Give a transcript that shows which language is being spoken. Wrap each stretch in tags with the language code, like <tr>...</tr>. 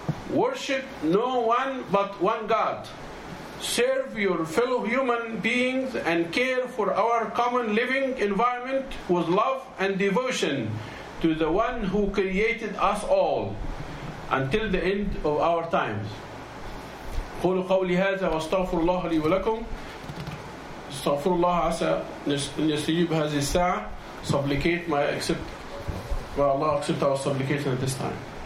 <en>Worship no one but one God. Serve your fellow human beings and care for our common living environment with love and devotion to the one who created us all until the end of our times.</en> <ar>قولوا قولي هذا واستغفر الله لي ولكم استغفر الله عسى أن يستجيب هذه الساعة.</ar> <en>Supplicate my accept, may Allah accept our supplication at this time.</en>